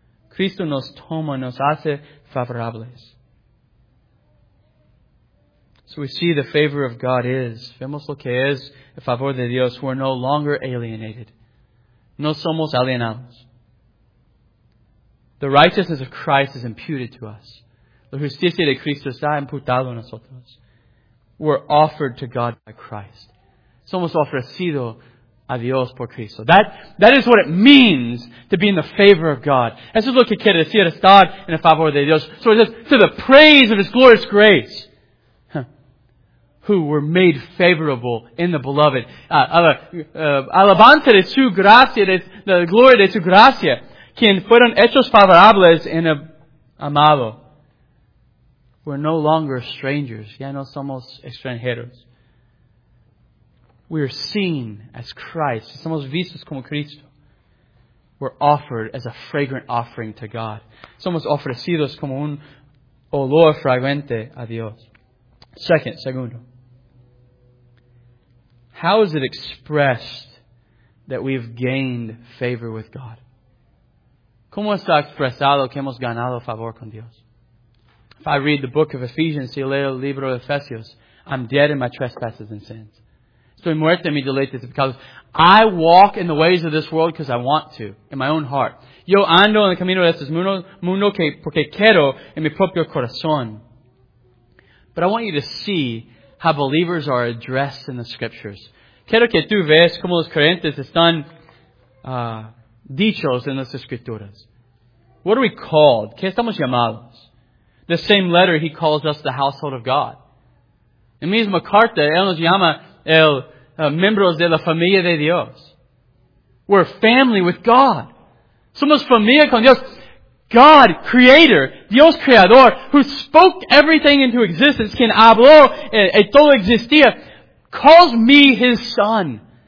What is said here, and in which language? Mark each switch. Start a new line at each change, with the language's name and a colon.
Spanish: Cristo nos toma, nos hace favorables.
English: So we see the favor of God is,
Spanish: vemos lo que es el favor de Dios,
English: we're no longer alienated.
Spanish: No somos alienados.
English: The righteousness of Christ is imputed to us.
Spanish: La justicia de Cristo está imputado a nosotros.
English: We're offered to God by Christ.
Spanish: Somos ofrecido a Dios por Cristo.
English: That is what it means to be in the favor of God.
Spanish: Eso es lo que quiere decir, estar en el favor de Dios.
English: So it says, to the praise of His glorious grace. Who were made favorable in the Beloved.
Spanish: Alabanza de su gracia, de la gloria de su gracia, quien fueron hechos favorables en el amado.
English: We're no longer strangers.
Spanish: Ya no somos extranjeros.
English: We're seen as Christ.
Spanish: Somos vistos como Cristo.
English: We're offered as a fragrant offering to God.
Spanish: Somos ofrecidos como un olor fragante a Dios. Segundo.
English: How is it expressed that we've gained favor with God?
Spanish: ¿Cómo está expresado que hemos ganado favor con Dios?
English: If I read the book of Ephesians,
Spanish: si leo el libro de Efesios,
English: I'm dead in my trespasses and sins.
Spanish: Estoy muerto en mis delitos
English: because I walk in the ways of this world because I want to, in my own heart.
Spanish: Yo ando en el camino de este mundo porque quiero en mi propio corazón.
English: But I want you to see how believers are addressed in the Scriptures.
Spanish: Quiero que tú veas cómo los creyentes están dichos en las Escrituras.
English: What are we called?
Spanish: ¿Qué estamos llamados?
English: The same letter, he calls us the household of God.
Spanish: En la misma carta, él nos llama el miembros de la familia de Dios.
English: We're family with God.
Spanish: Somos familia con Dios.
English: God, Creator,
Spanish: Dios Creador,
English: who spoke everything into existence,
Spanish: quien habló y todo existía,
English: calls me His Son.